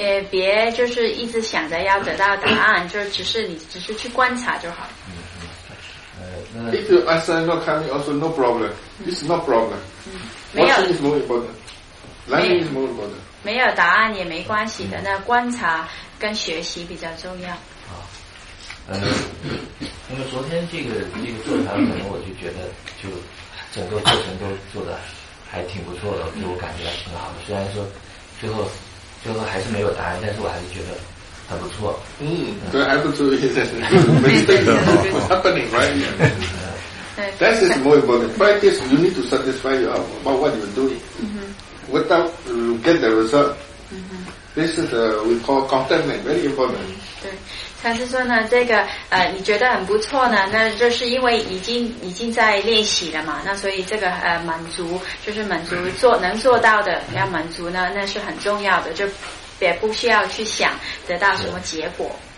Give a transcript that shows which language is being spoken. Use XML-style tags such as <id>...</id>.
<zh>别就是一直想着要得到答案，就只是你只是去观察就好。</zh> <en>If you answer not coming also no problem. This is no problem. Watching is more important.</en> <zh>没有答案也没关系的，那观察跟学习比较重要。好，那么昨天这个座谈，可能我就觉得就整个过程都做的还挺不错的，给我感觉还挺好的。虽然说最后还是没有答案，但是我还是觉得很不错。嗯，对，还不错，没事的</zh> <en>，happening right here. That is more important. Practice, you need to satisfy you about what you're doing. Without get the result, this is we call contentment, very important.</en> <zh>对，禅师说呢，这个你觉得很不错呢，那这是因为已经在练习了嘛，那所以这个满足就是满足做能做到的，要满足呢，那是很重要的，就也不需要去想得到什么结果。</zh>